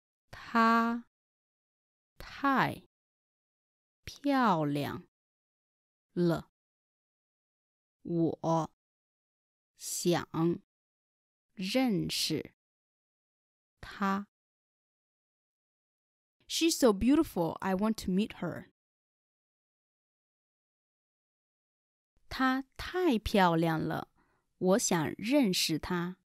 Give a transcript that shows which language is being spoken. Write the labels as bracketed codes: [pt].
[zh] 她太漂亮了，我想认识她。 [en] She's so beautiful, I want to meet her. [zh] 她太漂亮了，我想认识她。